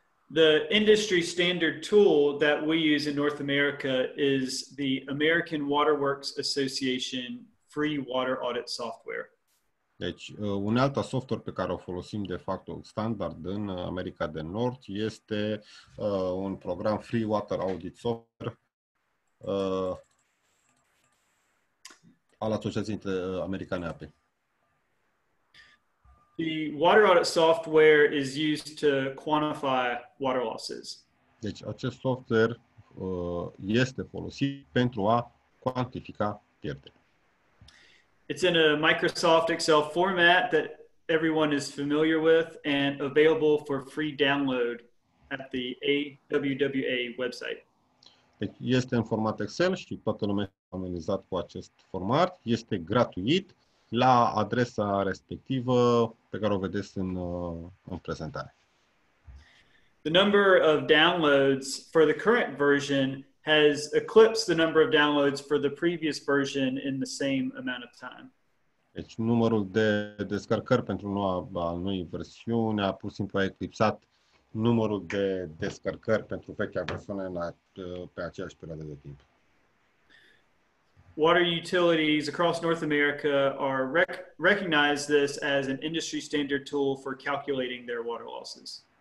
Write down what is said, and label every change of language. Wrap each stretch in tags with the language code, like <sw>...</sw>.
<en>The industry standard tool that we use in North America is the American Water Works Association free water audit software.</en> <ro>Deci, unealta software pe care o folosim de fapt standard în America de Nord este un program</ro> <en>free water audit software</en> <ro>al Asociației Americane APE.</ro> <en>The water audit software is used to quantify water losses.</en> <ro>Deci acest software este folosit pentru a cuantifica pierderile.</ro> <en>It's in a Microsoft Excel format that everyone is familiar with and available for free download at the AWWA website.</en> <ro>Deci este în format Excel și toată lumea este familiarizat cu acest format, este gratuit la adresa respectivă pe care o vedeți în prezentare.</ro> <en>The number of downloads for the current version has eclipsed the number of downloads for the previous version in the same amount of time.</en> <ro>Deci numărul de descărcări pentru noua versiune a pur și simplu eclipsat numărul de descărcări pentru vechea versiune pe aceeași perioadă de timp.</ro> <en>Water utilities across North America are recognize this as an industry standard tool for calculating their water losses.</en>